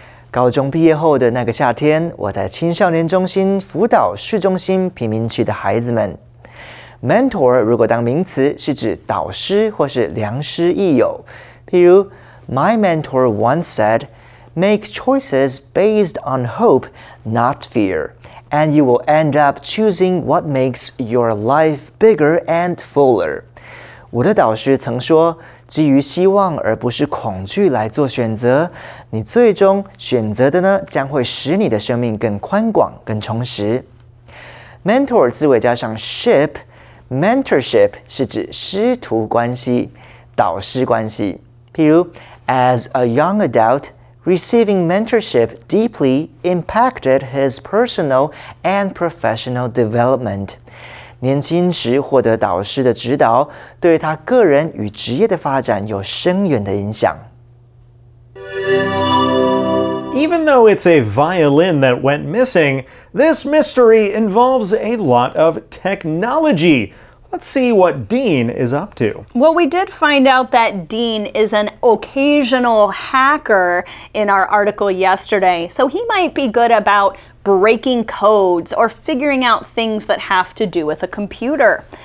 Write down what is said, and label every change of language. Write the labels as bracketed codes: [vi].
[zh] 高中毕业后的那个夏天，我在青少年中心辅导市中心贫民区的孩子们。 Mentor 如果当名词，是指导师或是良师益友。譬如 [en] ,My mentor once said, make choices based on hope, not fear, and you will end up choosing what makes your life bigger and fuller. [zh] 我的导师曾说，基于希望而不是恐惧来做选择，你最终选择的呢，将会使你的生命更宽广、更充实。 Mentor 字尾加上 ship，mentorship 是指师徒关系、导师关系。譬如 [en] ，As a young adult, receiving mentorship deeply impacted his personal and professional development. [zh] 年轻时获得导师的指导，对他个人与职业的发展有深远的影响。 [en] Even though it's a violin that went missing, this mystery involves a lot of technology. Let's see what Dean is up to. Well, we did find out that Dean is an occasional hacker in our article yesterday, so he might be good aboutbreaking codes or figuring out things that have to do with a computer.